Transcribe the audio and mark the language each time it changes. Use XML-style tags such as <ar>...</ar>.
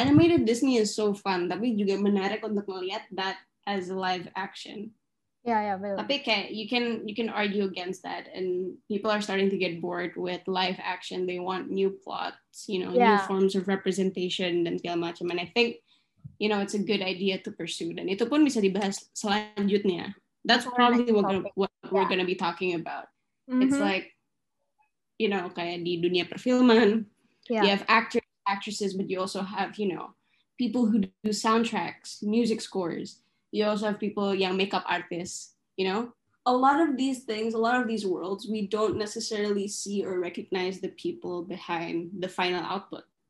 <en>Animated Disney is so fun,</en> <id>tapi juga menarik untuk melihat</id> <en>that as live action. Yeah, but okay, you can argue against that, and people are starting to get bored with live action. They want new plots, you know, new forms of representation</en> <id>dan segala macam.</id> <en>And I think, you know, it's a good idea to pursue.</en> <id>Dan itu pun bisa dibahas selanjutnya.</id> <en>That's probably what we're gonna be talking about. Mm-hmm. It's like, you know,</en> <id>kayak di dunia perfilman,</id> <en>you have actors, actresses, but you also have, you know, people who do soundtracks, music scores. You also have people, young makeup artists, you know? A lot of these things, a lot of these worlds, we don't necessarily see or recognize the people behind the final output.</en>